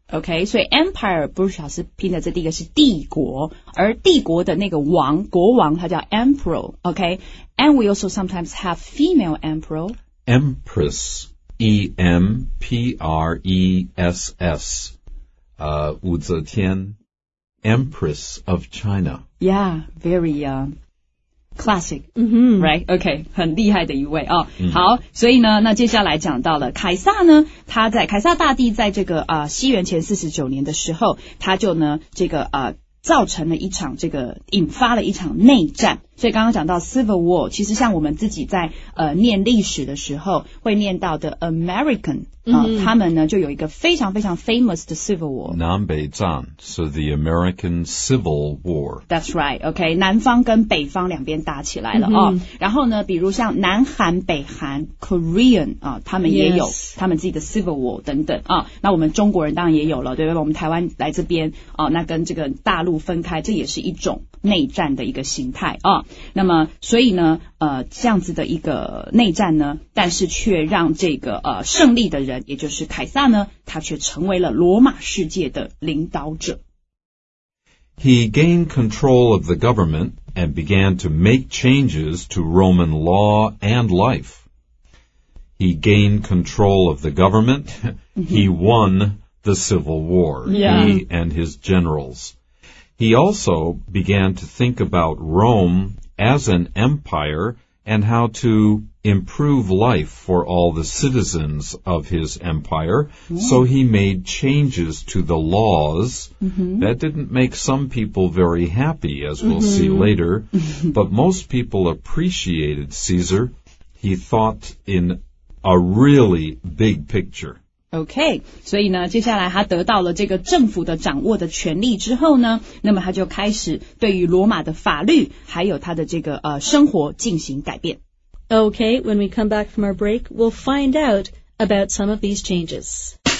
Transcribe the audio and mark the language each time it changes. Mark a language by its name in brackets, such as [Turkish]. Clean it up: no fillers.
[English] Okay, so empire [Chinese] 不是老师拼的这第一个是帝国，而帝国的那个王国王，他叫 emperor. [English] Okay, and we also sometimes have female emperor. Empress, E M P R E S S, 武则天, Empress of China. Yeah, very classic, mm-hmm. right? [Chinese] Okay, 很厉害的一位啊。好，所以呢，那接下来讲到了凯撒呢，他在凯撒大帝在这个西元前49年的时候，他就呢这个造成了一场这个引发了一场内战。所以刚刚讲到 civil war， 其实像我们自己在念历史的时候会念到的 American， 他们呢就有一个非常非常 famous 的 civil war，南北战， [English] so the American Civil War. That's right. [Chinese] OK， 南方跟北方两边打起来了啊。 [English] Mm-hmm. [Chinese] 然后呢，比如像南韩、北韩 Korean 他们也有 [English] yes. [Chinese] 他们自己的 civil war 等等啊。那我们中国人当然也有了，对吧？我们台湾来这边啊，那跟这个大陆分开，这也是一种内战的一个形态啊。那么所以呢，这样子的一个内战呢，但是却让这个胜利的人。 [English] He gained control of the government and began to make changes to Roman law and life. He gained control of the government. He won the civil war, yeah. He and his generals. He also began to think about Rome as an empire and how to improve life for all the citizens of his empire. Yeah. So he made changes to the laws. Mm-hmm. That didn't make some people very happy, as we'll mm-hmm. see later. But most people appreciated Caesar. He thought in a really big picture. [Chinese] Okay, 所以呢，接下来他得到了这个政府的掌握的权力之后呢，那么他就开始对于罗马的法律还有他的这个生活进行改变。 [English] Okay, when we come back from our break, we'll find out about some of these changes.